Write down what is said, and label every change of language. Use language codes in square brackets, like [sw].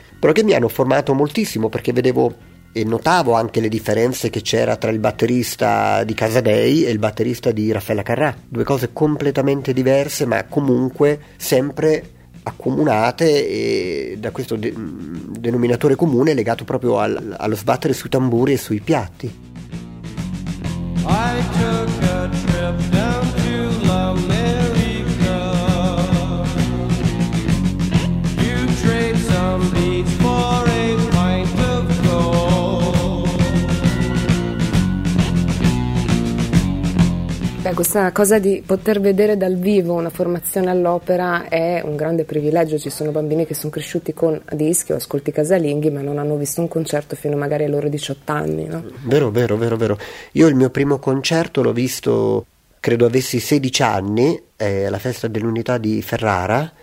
[it] però che mi hanno formato moltissimo, perché vedevo e notavo anche le differenze che c'era tra il batterista di Casadei e il batterista di Raffaella Carrà, due cose completamente diverse ma comunque sempre accomunate e da questo denominatore comune legato proprio allo sbattere sui tamburi e sui piatti. [en] I took a trip down to America. You trade some beats for a pint of gold. [it] Beh, questa cosa di poter vedere dal vivo una formazione all'opera è un grande privilegio. Ci sono bambini che sono cresciuti con dischi o ascolti casalinghi ma non hanno visto un concerto fino magari ai loro 18 anni, no? Vero, vero, vero, vero. Io il mio primo concerto l'ho visto, credo avessi 16 anni, alla festa dell'Unità di Ferrara.